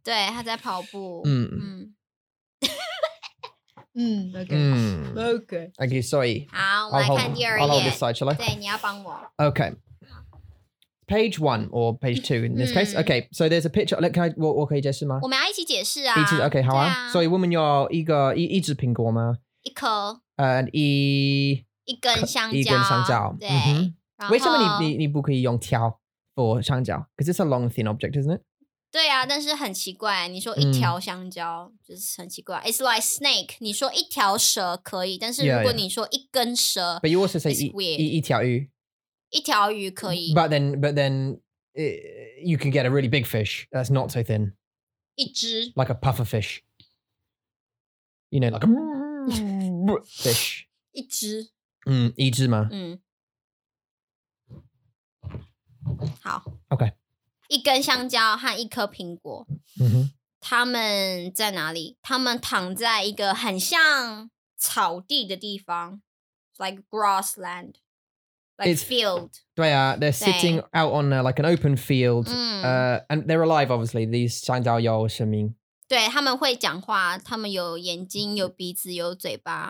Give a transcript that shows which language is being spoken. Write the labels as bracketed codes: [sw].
[zh] 对，他在跑步。 [en] Okay. Okay. Sorry. [zh] 好，我来看第二页。 [en] I'll hold this side, shall I? [zh] 对，你要帮我。 [en] Okay. Page one or page two in this case. Okay, so there's a picture. Look, can I? [zh] 我可以解释吗？我们要一起解释啊。一起 ，OK， 好啊。所以我们有一个一只苹果吗？一颗。一根香蕉。一根香蕉。对。为什么你不可以用条 for 香蕉 ？ [en] Because it's a long thin object, isn't it？ [zh] 对啊，但是很奇怪，你说一条香蕉就是很奇怪。 [en] It's like snake. [zh] 你说一条蛇可以，但是如果你说一根蛇 [en] ，But you also say [zh] 一条鱼。一条鱼可以 [en] But then you can get a really big fish that's not so thin. [zh] 一只 [en] Like a puffer fish. You know, like a fish. [zh] 一只一只吗好 [en] OK. [zh] 一根香蕉和一颗苹果他们在哪里他们躺在一个很像草地的地方 [en] Like grassland. Like it's, field. [zh] 对啊, [en] they're sitting out on a, like an open field. And they're alive, obviously. These [zh] 香蕉有生命. 对，他们会讲话，他们有眼睛，有鼻子，有嘴巴。